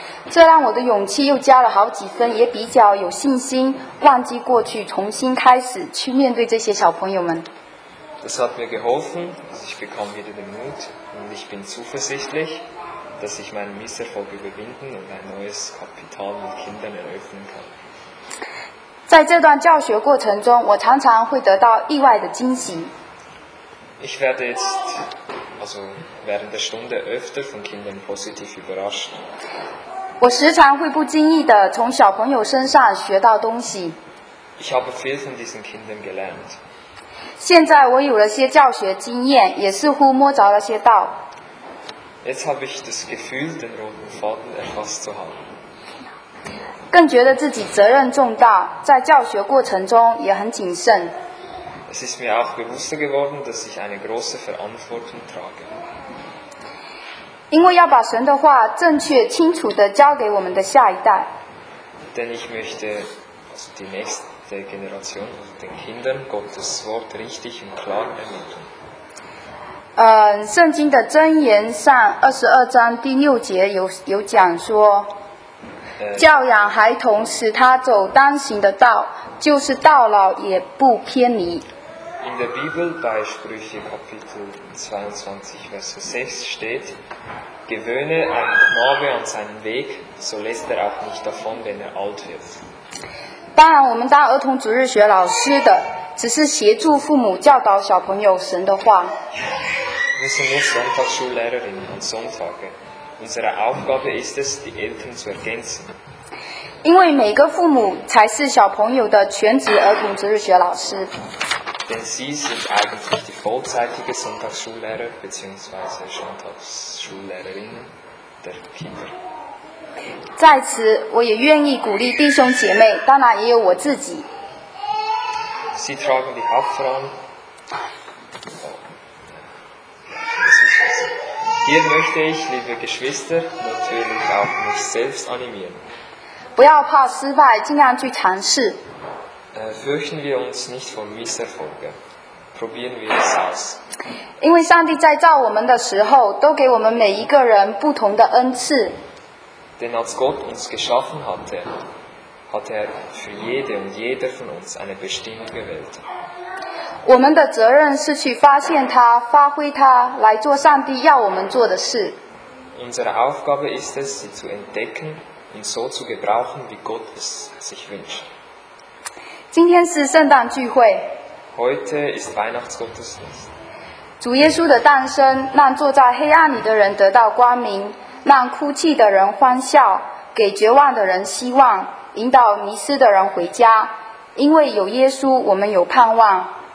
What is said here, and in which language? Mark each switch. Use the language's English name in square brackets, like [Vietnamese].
[Chinese] 这让我的勇气又加了好几分，也比较有信心，忘记过去，重新开始去面对这些小朋友们。 [German] Das hat mir geholfen, ich bekam wieder den Mut und ich bin zuversichtlich, dass ich meinen Misserfolg überwinden und ein neues Kapital mit Kindern eröffnen kann. [Chinese] 在这段教学过程中，我常常会得到意外的惊喜。 [German] Ich werde jetzt, also während der Stunde öfter von Kindern positiv überrascht. [Chinese] 我时常会不经意地从小朋友身上学到东西。 [German] Ich habe viel von diesen Kindern gelernt. [Chinese] 现在我有了些教学经验，也似乎摸着了些道。 [German] Jetzt habe ich das Gefühl, den roten Faden erfasst zu haben. [Chinese] 更觉得自己责任重大，在教学过程中也很谨慎。 [German] Es ist mir auch bewusster geworden, dass ich eine große Verantwortung trage. [Chinese] 因为要把神的话正确清楚地交给我们的下一代。 [German] Denn ich möchte also die nächste Generation, also den Kindern Gottes Wort richtig und klar ermitteln. [Chinese] 圣经的箴言上22:6有讲说。教养孩童，使他走当行的道，就是到老也不偏离。 [German] In der Bibel bei Sprüche Kapitel 22:6 steht: Gewöhne einen Knabe an seinen Weg, so lässt auch nicht davon, wenn alt wird. [Chinese] 当然，我们当儿童主日学老师的，只是协助父母教导小朋友神的话。 [German] Wir sind nur Sonntagsschullehrerinnen und Sonntage. Unsere Aufgabe ist es, die Eltern zu ergänzen. [Chinese] 因为每个父母才是小朋友的全职儿童主日学老师。 [German] Denn sie sind eigentlich die vollzeitige Sonntagsschullehrer bzw. Sonntagsschullehrerinnen der Kinder. [Chinese] 在此我也愿意鼓励弟兄姐妹，当然也有我自己。 [German] Sie tragen die Hauptfrauen. Hier möchte ich, liebe Geschwister, natürlich auch mich selbst animieren. [Chinese] 不要怕失败，尽量去尝试。 [German] Fürchten wir uns nicht vor Misserfolgen. Probieren wir es aus. [Chinese] 因为上帝在造我们的时候，都给我们每一个人不同的恩赐。 [German] Denn als Gott uns geschaffen hatte, hat er für jede und jeder von uns eine Bestimmung gewählt. [Chinese] 我们的责任是去发现它，发挥它，来做上帝要我们做的事。 [German] Unsere Aufgabe ist es, sie zu entdecken und so zu gebrauchen, wie Gott es sich wünscht. [Chinese] 今天是圣诞聚会。 [German] Heute ist Weihnachtsgottesdienst. [Chinese] 主耶稣的诞生，让坐在黑暗里的人得到光明。让哭泣的人欢笑，给绝望的人希望，引导迷失的人回家。因为有耶稣，我们有盼望。